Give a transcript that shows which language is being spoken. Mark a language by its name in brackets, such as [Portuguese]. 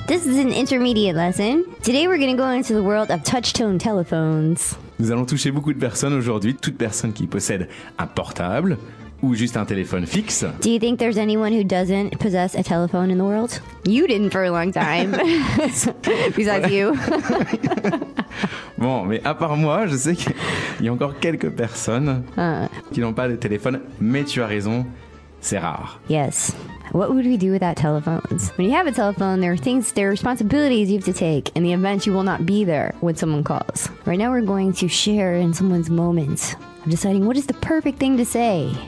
[English] This is an intermediate lesson. Today we're going to go into the world of touch-tone telephones. [French] Nous allons toucher beaucoup de personnes aujourd'hui, toute personne qui possède un portable ou juste un téléphone fixe. [English] Do you think there's anyone who doesn't possess a telephone in the world? You didn't for a long time. Besides you. [French] Bon, mais à part moi, je sais qu'il y a encore quelques personnes qui n'ont pas de téléphone, mais tu as raison, c'est rare. [English] Yes. What would we do without telephones? When you have a telephone, there are things, there are responsibilities you have to take in the event you will not be there when someone calls. Right now, we're going to share in someone's moment of deciding what is the perfect thing to say.